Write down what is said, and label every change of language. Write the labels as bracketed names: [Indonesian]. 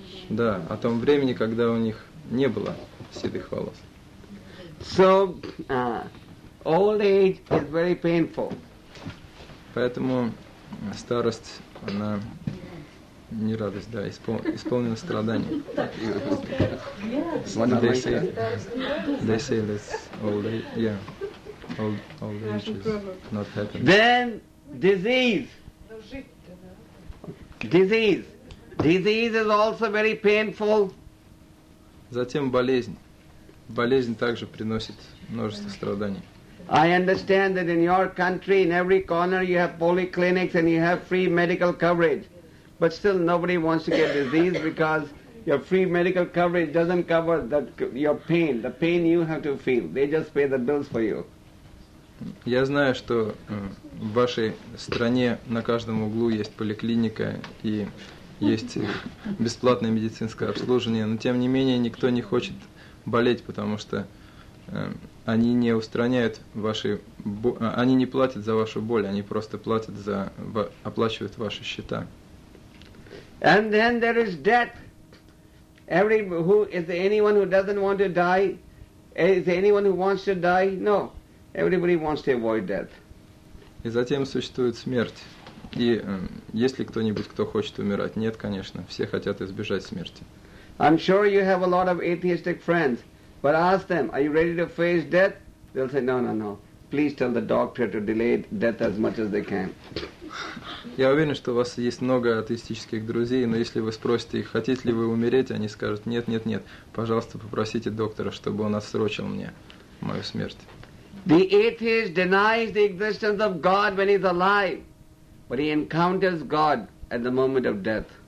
[Russian] Да, о том времени, когда у них не было седых волос. [English] So, old age is very painful. [Russian] Поэтому старость, она не радость, да, исполнена страданий. [English] What did they say? They say that old age, yeah, old age is not happening. Then disease is also very painful. [Russian] Затем болезнь также приносит множество страданий. [English] I understand that in your country, in every corner, you have polyclinics and you have free medical coverage. But still, nobody wants to get disease because your free medical coverage doesn't cover that your pain, the pain you have to feel. They just pay the bills for you. [Russian] Я знаю, что в вашей стране на каждом углу есть поликлиника и есть бесплатное медицинское обслуживание, но тем не менее никто не хочет болеть, потому что они не платят за вашу боль, они просто оплачивают ваши счета. [English] And then there is death. Anyone who doesn't want to die? Is there anyone who wants to die? No. Everybody wants to avoid death. [Russian] И затем существует смерть. И есть ли кто-нибудь, кто хочет умирать? Нет, конечно. Все хотят избежать смерти. [English] I'm sure you have a lot of atheistic friends, but ask them, are you ready to face death? They'll say, no. Please tell the doctor to delay death as much as they can. [Russian] Я уверен, что у вас есть много атеистических друзей, но если вы спросите их, хотите ли вы умереть, они скажут, нет. Пожалуйста, попросите доктора, чтобы он отсрочил мне мою смерть. [English] The atheist denies the existence of God when he's alive, but he encounters God at the moment of death.